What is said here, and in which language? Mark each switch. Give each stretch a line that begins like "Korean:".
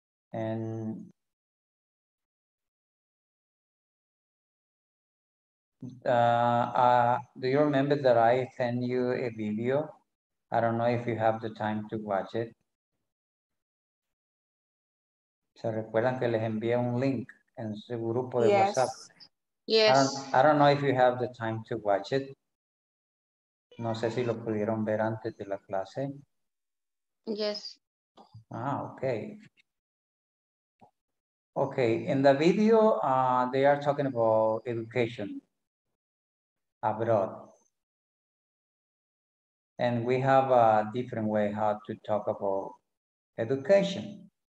English: And do you remember that I sent you a video I don't know if you have the time to watch it.
Spanish: ¿Se recuerdan que les envié un link en su grupo de WhatsApp?
English: Yes. I don't know if you have the time to watch it.
Spanish: No sé si lo pudieron ver antes de la clase.
English: Yes. Ah, okay. Okay, in the video, they are talking about education abroad. And we have a different way how to talk about education.